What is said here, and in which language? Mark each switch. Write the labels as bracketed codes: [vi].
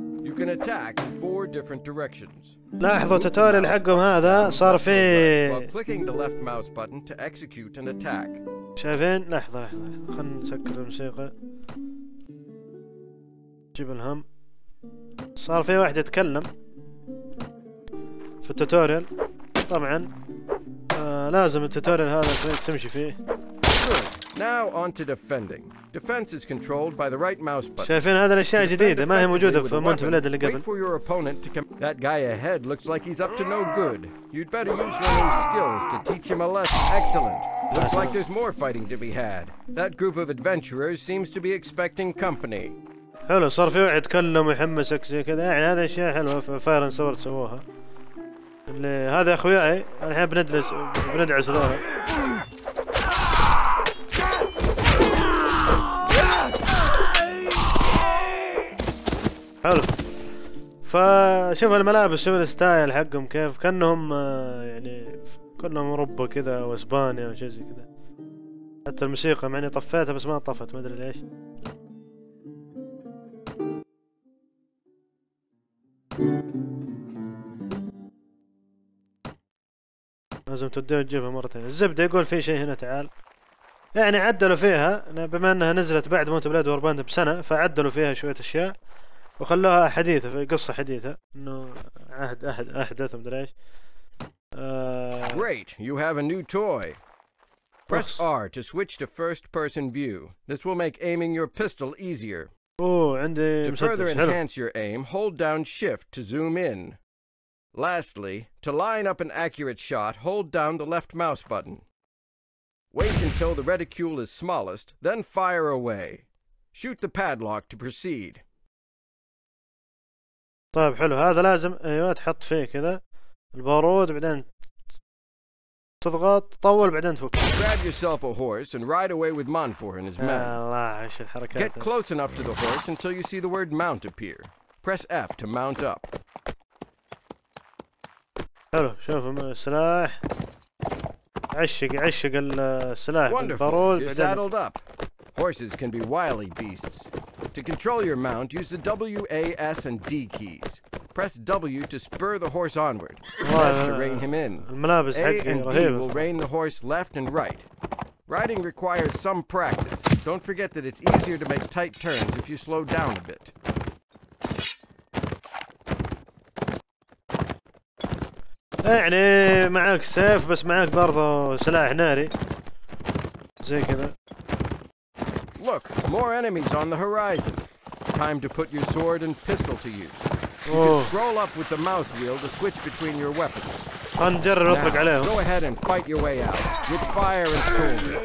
[en] You can attack in four different directions. [ar] لاحظوا التوتوريال حقهم هذا صار فيه. [en] While clicking the left mouse button to execute an attack. [ar] شايفين؟ لحظة لحظة لحظة خلنا نسكر الموسيقى. جيب الهم. صار فيه واحد يتكلم في التوتوريال. طبعاً لازم التوتوريال هذا تمشي فيه. [en] Now on to defending. Defense is controlled by the right mouse button. [ar] شايفين هذا الأشياء جديدة ما هي موجودة في مونت بلاد اللي قبل. [en] Wait for your opponent to come. That guy ahead looks like he's up to no good. You'd better use your new skills to teach him a lesson. Excellent. Looks like there's more fighting to be had. That group of adventurers seems to be expecting company. [ar] حلو صار في واحد يتكلم ويحمسك زي كذا يعني هذا أشياء حلوة في فاير اند سورد سووها. اللي هذا أخوياي الحين بندلس بندعس ذولا. حلو فشوف الملابس شوف الستايل حقهم كيف كأنهم يعني كلهم اوروبا كذا او اسبانيا او شيء زي كذا حتى الموسيقى معني طفيتها بس ما طفت ما ادري ليش لازم تديها تجيبها مرتين الزبدة يقول في شيء هنا تعال يعني عدلوا فيها بما انها نزلت بعد موت بلاد وارباند بسنة فعدلوا فيها شوية اشياء وخلوها حديثة في قصة حديثة انه عهد احد احدث مدري ايش. [en] Great, you have a new toy. Press R to switch to first person view. This will make aiming your pistol easier. [ar] اوه عندي مسدس. [en] To further enhance your aim, hold down shift to zoom in. Lastly, to line up an accurate shot, hold down the left mouse button. Wait until the reticule is smallest, then fire away. Shoot the padlock to proceed. [ar] طيب حلو هذا لازم ايوه تحط فيه كذا البارود بعدين تضغط تطول بعدين تفك. [en] Grab yourself a horse and ride away with Monfort and his men. [ar] الله ايش الحركات. [en] Get close enough to the horse until you see the word mount appear. Press F to mount up. [ar] حلو شوف السلاح عشق السلاح البارود بعدين. [en] You're saddled up. Horses can be wily beasts. To control your mount, use the W, A, S, and D keys. Press W to spur the horse onward. Press to rein him in. [ar] الملابس [en] A and D will rein the horse left and right. Riding requires some practice. Don't forget that it's easier to make tight turns if you slow down a bit. [ar] يعني معك سيف بس معك برضه سلاح ناري زي كذا. [en] Look, more enemies on the horizon. Time to put your sword and pistol to use. You can scroll up with the mouse wheel to switch between your weapons. [ar] هنجرب نطلق عليهم. [en] Go ahead and fight your way out with fire and sword.